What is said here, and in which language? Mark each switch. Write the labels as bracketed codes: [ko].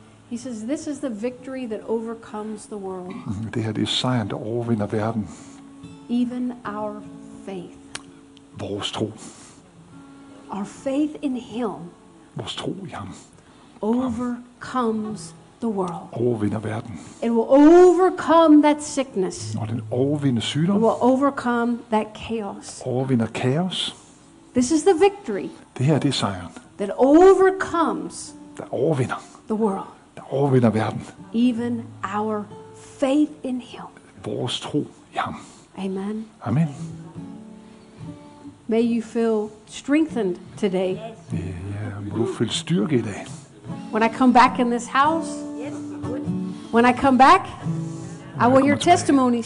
[en] He says, "This is the victory that overcomes the world." [da] Det her, det er sejren, der overvinder verden. [en] Even our faith. [da] Vores tro. [en] Our faith in him. [da] Vores tro i ham. [en] Overcomes the world. [da] Overvinder verden. [en] It will overcome that sickness. [da] Og den overvinder sygdom. [en] It will overcome that chaos. [da] Overvinder kaos. [en] This is the victory. [da] Det her, det er sejren. [en] That overcomes. [da] Der overvinder. [en] The world. [da] Der overvinder verden. [en] Even our faith in him. [da] Vores tro i ham. [en] Amen. [da] Amen. [en] May you feel strengthened today. [da] Yeah, må du føle styrke i dag. [en] When I come back in this house, yes, when I come back, I will hear testimonies.